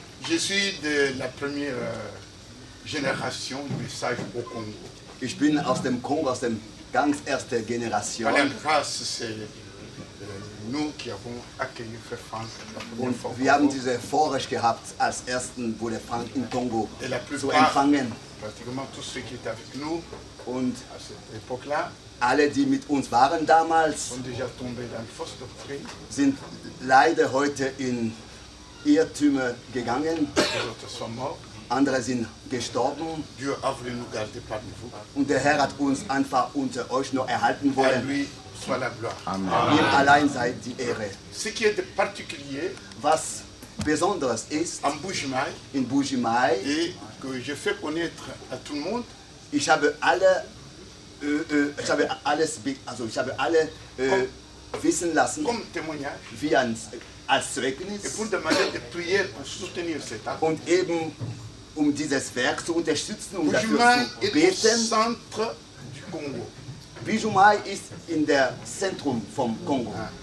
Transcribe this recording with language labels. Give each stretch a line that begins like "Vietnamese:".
French: Je suis de la première génération du message au Congo.
German: Ich bin aus dem Kongo, aus der ganz ersten Generation.
French: Alain Grasse, c'est nous qui avons accueilli Frère Franck.
German: Und wir haben diese Vorrecht gehabt, als ersten Bruder Franck in Kongo
French: plupart,
German: zu empfangen.
French: Pratiquement tous ceux qui étaient avec nous,
German: und
French: à cette époque-là,
German: alle, die mit uns waren damals,
French: sont déjà tombés dans fausse doctrine,
German: sind leider heute in Irrtümer gegangen. Andere sind gestorben.
French: Dieu a voulu nous garder parmi vous.
German: Und der Herr hat uns einfach unter euch noch erhalten wollen. Amen. Allein sei die Ehre.
French: Ce qui est particulier,
German: was besonders ist,
French: en Bujimai,
German: in Bujimai,
French: et que je fais connaître à tout le monde,
German: ich habe alle, ich habe alles, also ich habe alle comme, wissen lassen,
French: comme témoignage,
German: wie ein, als Zeugnis,
French: et pour demander de prier pour soutenir cet acte,
German: und eben um dieses Werk zu unterstützen, um Bujimai dafür zu beten.
French: Est au centre du Congo.
German: Bujumai ist in der Zentrum vom Kongo.